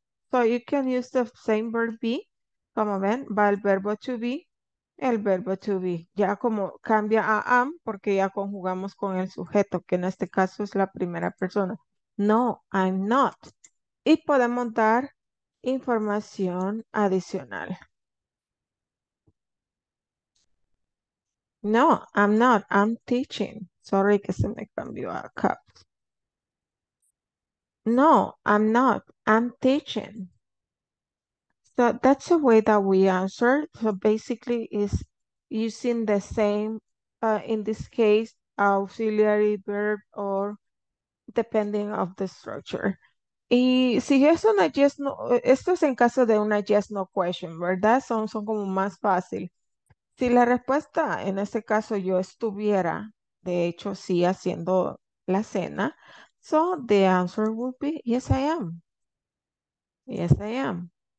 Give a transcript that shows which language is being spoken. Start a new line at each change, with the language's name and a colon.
English: So you can use the same verb be.
Spanish: Como ven, va el verbo to be, el verbo to be. Ya como cambia a am, porque ya conjugamos con el sujeto, que en este caso es la primera persona.
English: No, I'm not.
Spanish: Y podemos dar información adicional.
English: No, I'm not. I'm teaching. Sorry
Spanish: que se me cambió a caps.
English: No, I'm not. I'm teaching. So that's the way that we answer. So basically is using the same, in this case, auxiliary verb or depending of the structure.
Spanish: Y si es una yes no, esto es en caso de una yes no question, ¿verdad? Son como más fácil. Si la respuesta, en este caso, yo estuviera, de hecho, sí, haciendo la cena,
English: so the answer would be, yes, I am.
Spanish: Yes, I am.